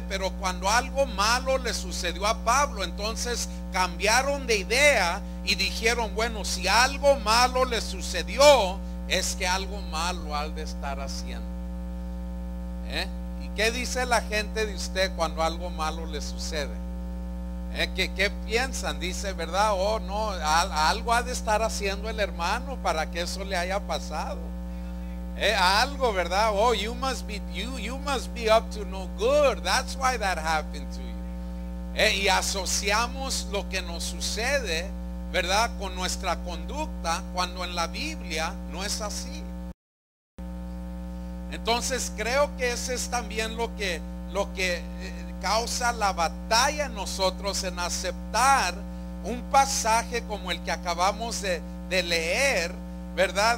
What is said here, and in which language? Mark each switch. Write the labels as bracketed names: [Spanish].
[Spanish] Pero cuando algo malo le sucedió a Pablo, entonces cambiaron de idea y dijeron: bueno, si algo malo le sucedió, es que algo malo ha de estar haciendo. ¿Qué dice la gente de usted cuando algo malo le sucede? ¿Qué piensan? Dice, ¿verdad? Oh, no, algo ha de estar haciendo el hermano para que eso le haya pasado. Algo, ¿verdad? [English] Oh, you must be up to no good. That's why that happened to you. [Spanish] Y asociamos lo que nos sucede, ¿verdad?, con nuestra conducta, cuando en la Biblia no es así. Entonces creo que ese es también lo que causa la batalla en nosotros, en aceptar un pasaje como el que acabamos de leer, ¿verdad?